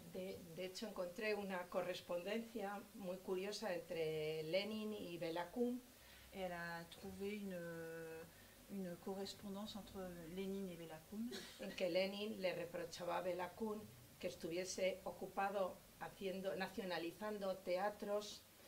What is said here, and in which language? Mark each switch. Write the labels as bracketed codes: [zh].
[es] De hecho, encontré una correspondencia muy curiosa entre Lenin y Belakun. [fr] Elle a trouvé une correspondance entre Lenin et Belakun. [es] En que Lenin le reprochaba a Belakun que estuviese ocupado haciendo, nacionalizando teatros.